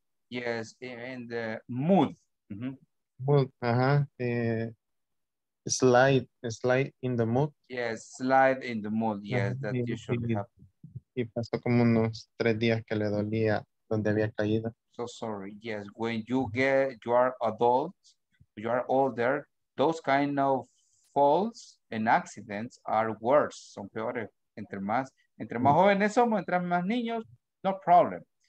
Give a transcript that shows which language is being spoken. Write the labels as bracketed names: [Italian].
[English] Yes, in the mud. Mm-hmm. Mud, slide in the mud. Yes, slide in the mud. Yes, that usually happens. [Spanish] Y pasó como unos 3 días que le dolía donde había caído. [English] So sorry. Yes, when you are adult, you are older, those kind of falls and accidents are worse. [Spanish] Son peores. Entre más jóvenes somos, entre más niños, [English] no problem.